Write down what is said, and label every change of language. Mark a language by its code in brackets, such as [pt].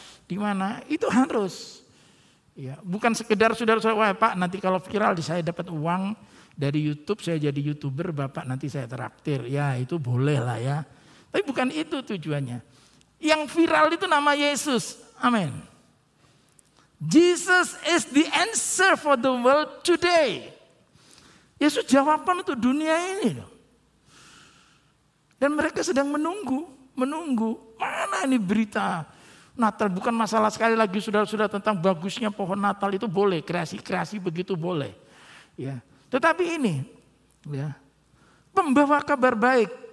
[id] Di mana? Itu harus. Ya, bukan sekedar saudara-saudara, wah Pak nanti kalau viral saya dapat uang dari YouTube, saya jadi YouTuber, Bapak nanti saya traktir. Ya itu boleh lah ya. Tapi bukan itu tujuannya. Yang viral itu nama Yesus. Amin. [en] Jesus is the answer for the world today. [id] Yesus jawaban untuk dunia ini. Dan mereka sedang menunggu. Mana ini berita Natal? Bukan masalah sekali lagi saudara-saudara tentang bagusnya pohon Natal itu boleh. Kreasi-kreasi begitu boleh. Ya. Tetapi ini, ya, pembawa kabar baik.